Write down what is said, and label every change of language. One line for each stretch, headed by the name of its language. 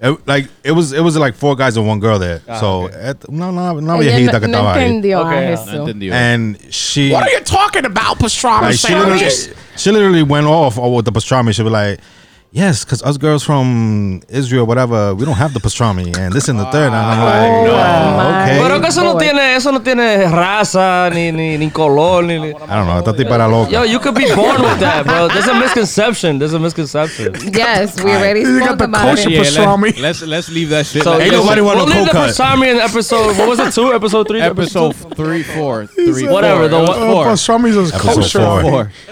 English: Like, it was like four guys and one girl there. And she... What are you talking about, pastrami sandwich? She literally went off with the pastrami. She was like, yes, because us girls from Israel, whatever, we don't have the pastrami. And this and the third. And I'm like, okay.
Spanish: Pero que eso no tiene raza, ni color, ni...
English: I don't know. Tati
Spanish: para loca.
English: Yo, you could be born with that, bro. There's a misconception. Yes, we already spoke about it. You got the kosher pastrami. Yeah, let's leave that shit. So, ain't nobody want we'll a cold cut. We'll leave the pastrami in episode... What was it? Two? Episode three? Episode three, four. Pastrami is kosher.